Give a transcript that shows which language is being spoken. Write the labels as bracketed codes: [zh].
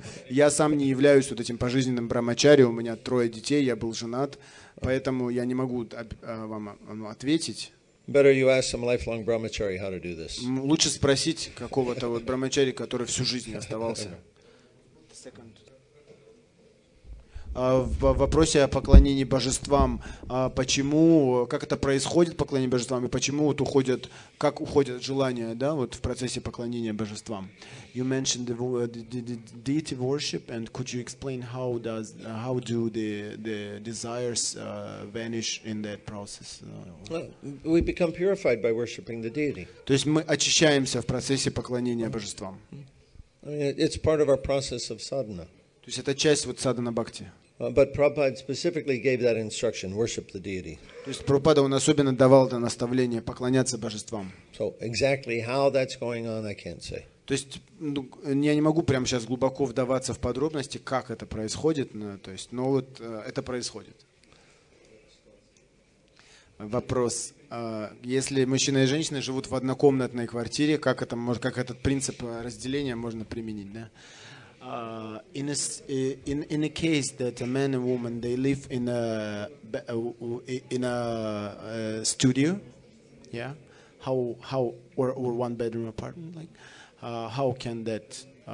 [ru] Я сам не являюсь вот этим пожизненным брахмачари. У меня трое детей, я был женат. Поэтому я не могу вам ответить. [en] Better you ask some lifelong brahmachari how to do this. [ru] Лучше спросить какого-то вот брахмачари, который всю жизнь оставался. В вопросе о поклонении божествам, почему, как это происходит, поклонение божествам, и почему вот уходят, как уходят желания, да, вот в процессе поклонения божествам. [en] You mentioned the deity worship, and could you explain how do the desires vanish in that process? We become purified by worshiping the deity. [ru] То есть мы очищаемся в процессе поклонения божествам. [en] I mean, it's part of our process of sadhana. [ru] То есть это часть вот садхана-бхакти. [en] But Prabhupada specifically gave that instruction: worship the deity. [ru] То есть Прабхупада он особенно давал это наставление поклоняться божествам. [en] So exactly how that's going on, I can't say. [ru] То есть я не могу прямо сейчас глубоко вдаваться в подробности, как это происходит, то есть, но вот это происходит. Вопрос: если мужчина и женщина живут в однокомнатной квартире, как этот принцип разделения можно применить, да? [en] In a case that a man and woman they live in a studio, yeah, how or one bedroom apartment, like how can that